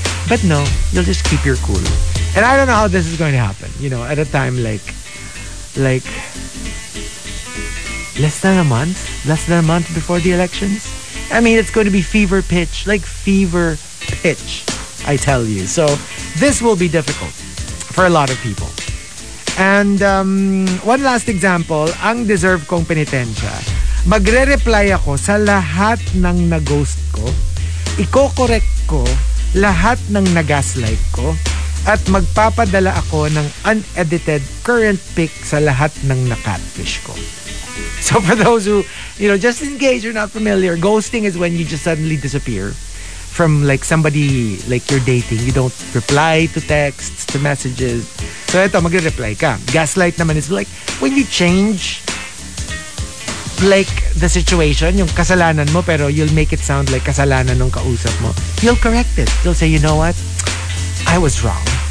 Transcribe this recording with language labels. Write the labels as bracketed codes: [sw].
[en] But no, you'll just keep your cool. And I don't know how this is going to happen, you know, at a time like less than a month before the elections. I mean, it's going to be fever pitch, like fever pitch, I tell you. So this will be difficult for a lot of people. And one last example, [tl] ang deserve kong penitensya. Magre-reply ako sa lahat ng na-ghost ko. Iko-correct ko lahat ng na-gaslight ko. At magpapadala ako ng [en] unedited current pic [tl] sa lahat ng na-catfish ko. [en] So for those who, you know, just in case you're not familiar, ghosting is when you just suddenly disappear from like somebody like you're dating. You don't reply to texts, to messages. [tl] So ito, magre-reply ka. [en] Gaslight naman is like when you change like the situation, [tl] yung kasalanan mo, [en] pero you'll make it sound like [tl] kasalanan nung kausap mo. [en] You'll correct it. You'll say, you know what? I was wrong.